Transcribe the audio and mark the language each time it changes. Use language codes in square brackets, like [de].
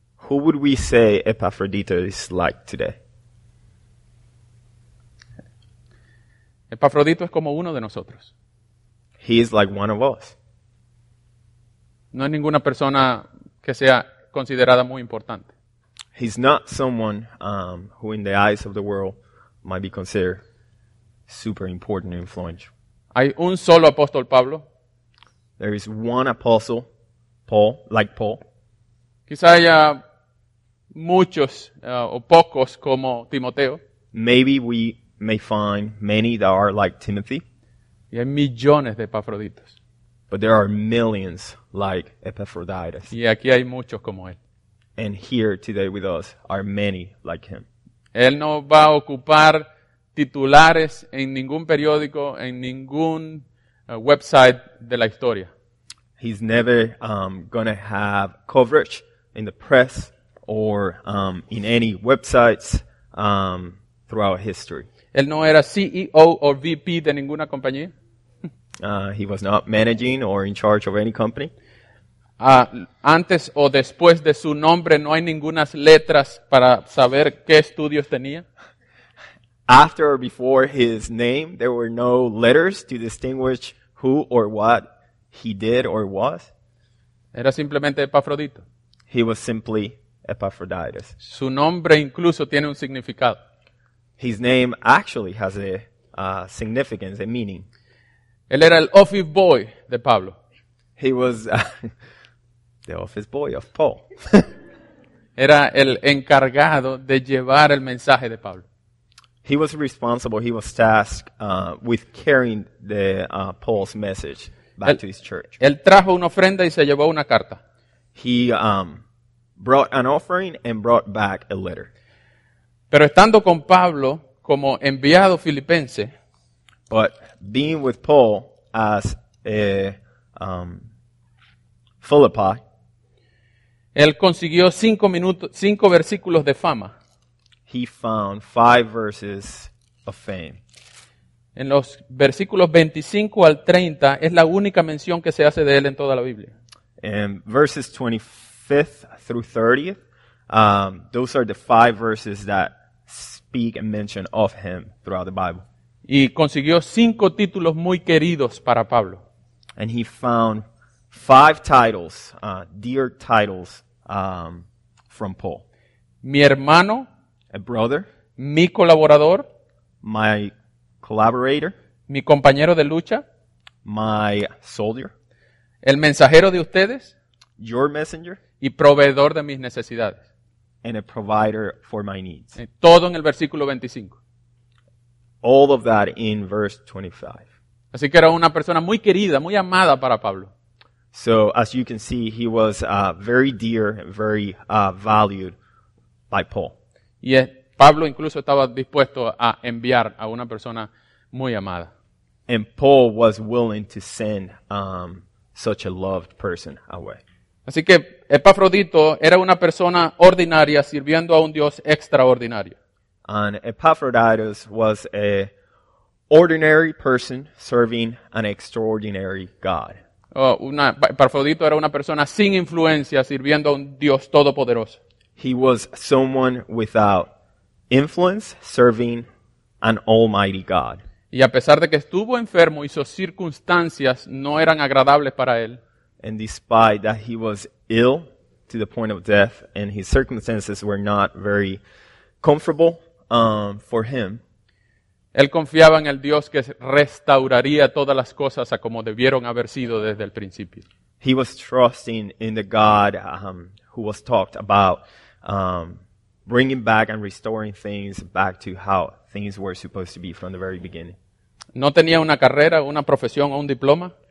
[en] Who would we say Epafrodito is like today? [es] Epafrodito es como uno de nosotros. [en] He is like one of us. [es] No es ninguna persona que sea considerada muy importante. [en] He's not someone who in the eyes of the world might be considered super important and influential. [es] Hay un solo apóstol Pablo. [en] There is one apostle, Paul, like Paul. [es] Quizá haya muchos o pocos como Timoteo. [en] Maybe we may find many that are like Timothy. [es] Y hay millones de Epafroditos. [en] But there are millions like Epaphroditus. [es] Y aquí hay muchos como él. [en] And here today with us are many like him. [es] Él no va a ocupar titulares en ningún periódico, en ningún website de la historia. [en] He's never going to have coverage in the press or in any websites throughout history. [es] Él no era [en] CEO or VP [es] de ninguna compañía. [en] He was not managing or in charge of any company. [es] Antes o después de su nombre no hay ningunas letras para saber qué estudios tenía. [en] After or before his name, there were no letters to distinguish who or what he did or was. [es] Era simplemente Epafrodito. [en] He was simply Epaphroditus. [es] Su nombre incluso tiene un significado. [en] His name actually has a significance, a meaning. [es] Él era el office boy de Pablo. [en] He was the office boy of Paul. [es] Era el encargado de llevar el mensaje de Pablo. [en] He was responsible, he was tasked with carrying the Paul's message back to his church. [es] Él trajo una ofrenda y se llevó una carta. [en] He brought an offering and brought back a letter. [es] Pero estando con Pablo como enviado filipense, [en] but being with Paul as a Philippi, [es] él consiguió cinco versículos de fama. [en] He found five verses of fame. [es] En los versículos 25 al 30 es la única mención que se hace de él en toda la Biblia. [en] In verses 25 through 30, those are the five verses that speak and mention of him throughout the Bible. [es] Y consiguió cinco títulos muy queridos para Pablo. [en] And he found five titles, dear titles, from Paul. [es] Mi hermano. [en] A brother. [es] Mi colaborador. [en] My collaborator. [es] Mi compañero de lucha. [en] My soldier. [es] El mensajero de ustedes. [en] Your messenger. [es] Y proveedor de mis necesidades. [en] And a provider for my needs. [es] Todo en el versículo 25. [en] All of that in verse 25. [es] Así que era una persona muy querida, muy amada para Pablo. [en] So, as you can see, he was very dear, very valued by Paul. [es] Y Pablo incluso estaba dispuesto a enviar a una persona muy amada. [en] And Paul was willing to send such a loved person away. [es] Así que Epafrodito era una persona ordinaria sirviendo a un Dios extraordinario. [en] And Epaphroditus was a ordinary person serving an extraordinary God. [es] Epafrodito era una persona sin influencia sirviendo a un Dios todopoderoso. [en] He was someone without influence serving an almighty God. [es] Y a pesar de que estuvo enfermo y sus circunstancias no eran agradables para él. [en] And despite that he was ill to the point of death and his circumstances were not very comfortable, for him. [es] Él confiaba en el Dios que restauraría todas las cosas a como debieron haber sido desde el principio. [en] He was trusting in the God who was talked about bringing back and restoring things back to how things were supposed to be from the very beginning. [es] No tenía una carrera, una profesión o un diploma.